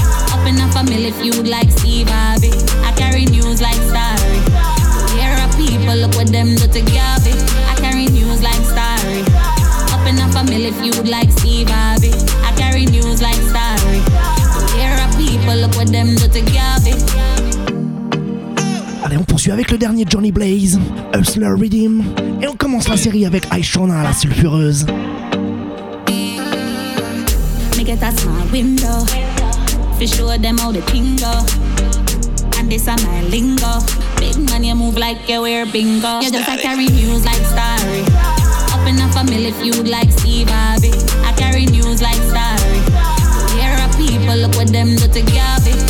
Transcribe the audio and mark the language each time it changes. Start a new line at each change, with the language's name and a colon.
English: Up in a family feud like Steve Harvey. I carry news like story. Here are people, look what them do to Gabby. I carry news like story. Up in a family feud like Steve Harvey. I carry news like story. Here are people, look what them do to Gabby.
French: Allez, on poursuit avec le dernier Johnny Blaze, Hustler Redeem, et on commence la série avec Aishana, la sulfureuse.
English: Me get a small window, fi show them how the thing go. And this a my lingo, big man you move like you wear bingo. You just a carry news like story, up in a family feud like Steve Harvey. I carry news like story, here are people, look what them do to Gabby.